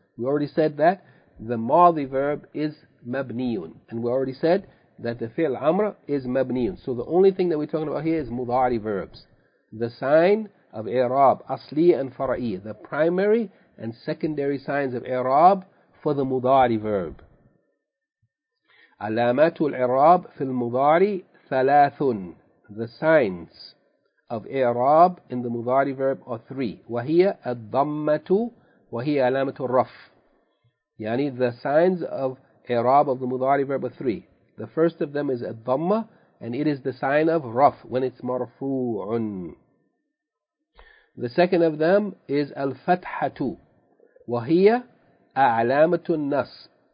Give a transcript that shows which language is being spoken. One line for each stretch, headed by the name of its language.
English: We already said that the ماضي verb is مبنيون. And we already said that the فعل أمر is مبنيون. So the only thing that we're talking about here is مضارع verbs. The sign of إعراب, أصلية and فرعية, the primary and secondary signs of إعراب for the مضارع verb.
Arabic: علامات الإعراب في المضارع ثلاث.
English: The signs of إعراب in the مضارع verb are three.
Arabic: وهي الضمة وهي علامة الرف.
English: يعني the signs of إعراب of the مضارع verb are three. The first of them is الضمة, and it is the sign of رف when it's مرفوع. The second of them is
Arabic: الفتحة وهي علامة النصب.